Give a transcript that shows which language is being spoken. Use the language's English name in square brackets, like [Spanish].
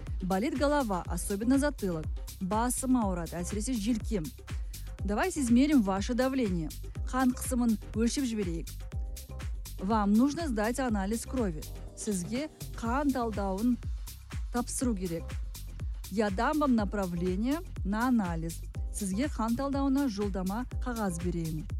[Russian] Болит голова, особенно затылок. [Kazakh] Басым ауырады, әсіресе желкем. [Russian] Давайте измерим ваше давление. [Kazakh] Қан қысымын өлшіп жіберейік. [Russian] Вам нужно сдать анализ крови. [Kazakh] Сізге қан талдауын тапсыру керек. [Russian] Я дам вам направление на анализ. [Kazakh] Сізге қан талдауына жолдама қағаз берейін.